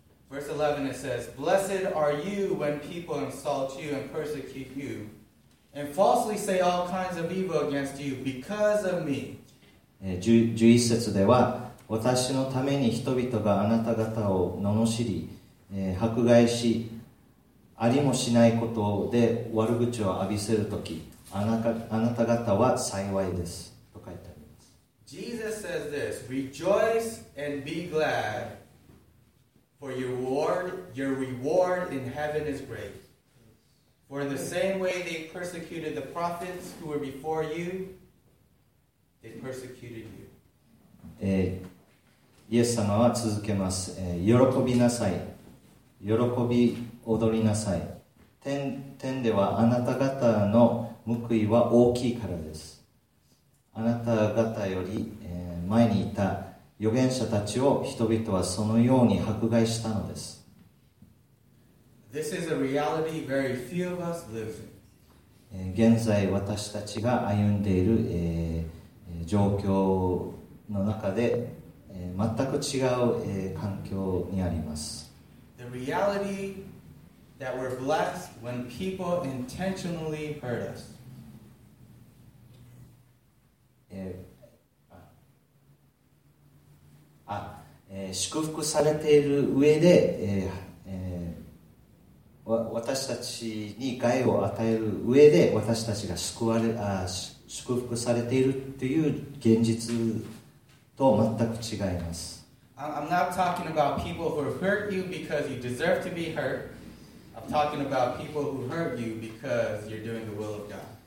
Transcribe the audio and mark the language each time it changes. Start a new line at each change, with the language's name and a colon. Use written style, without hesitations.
English: Verse 11, it says, Blessed are you when people insult you and persecute you, and falsely say all kinds of evil against you because of me.
Japanese: 11節では、私のために人々があなた方を罵り、迫害し、ありもしないことで悪口を浴びせるとき、あなた方は幸いです。と書いてあります。
English: Jesus says this, Rejoice and be glad. For your reward in heaven is great. For in the same way they persecuted the prophets who were before you, they persecuted you.
Japanese: イエス様は続けます。喜びなさい。喜び踊りなさい。天ではあなた方の報いは大きいからです。あなた方より、前にいた預言者たちを人々はそのように迫害したのです。
English: This is a reality very few of us live in.
Japanese: 現在私たちが歩んでいる、状況の中で、全く違う、環境にあります。
English: The reality that we're blessed when people intentionally hurt us.
Japanese: あ、祝福されている上で、私たちに害を与える上で私たちが救われ、あ、祝福されているという現実と全く違います。
English: I'm not talking about people who hurt you because you deserve to be hurt. I'm talking about people who hurt you because you're doing the will of God.